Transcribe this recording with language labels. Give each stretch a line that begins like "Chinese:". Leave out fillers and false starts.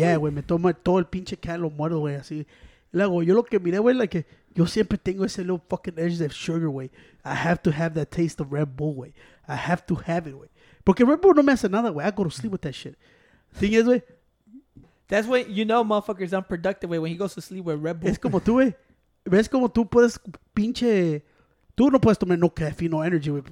Spanish: Yeah, güey, me tomo todo el pinche can, lo muerdo, güey, así. Luego, yo lo que miré, güey, like, yo siempre tengo ese
English: little fucking edge of sugar,
Spanish: güey.
English: I have to have that taste of Red Bull, güey. I have to have it, güey.
Spanish: Porque Red Bull no me hace nada,
English: güey. I go to sleep with that shit. Thing is, güey. That's when you know motherfuckers unproductive,
Spanish: güey,
English: when he goes to sleep with Red Bull.
Spanish: Es como tú, güey. ves como tú puedes pinche, tú no puedes tomar no café,
English: no energy,
Spanish: wey.